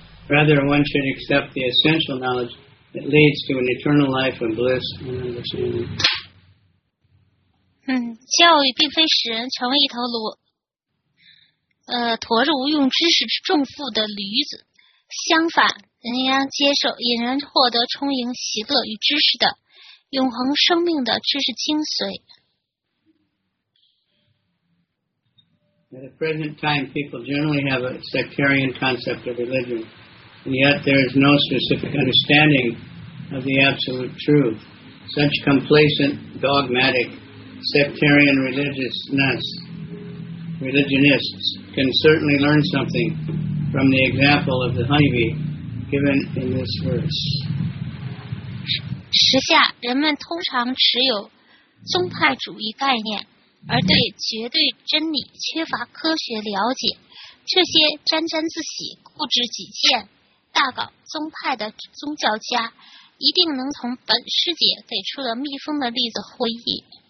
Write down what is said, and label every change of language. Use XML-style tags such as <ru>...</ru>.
<en>Rather, one should accept the essential knowledge that leads to an eternal life of bliss and understanding.</en> <zh>教育并非使人成为一头驴。驮着无用知识重负的驴子，相反，人应接受，引人获得充盈喜乐与知识的永恒生命的知识精髓。</zh> <en>At the present time, people generally have a sectarian concept of religion, and yet there is no specific understanding of the absolute truth. Such complacent, dogmatic, sectarian religionists can certainly learn something from the example of the honeybee given in this verse.</en> <zh>时下人们通常持有宗派主义概念，而对绝对真理缺乏科学了解。这些沾沾自喜、固执己见、大搞宗派的宗教家，一定能从本师姐给出的蜜蜂的例子获益。</zh>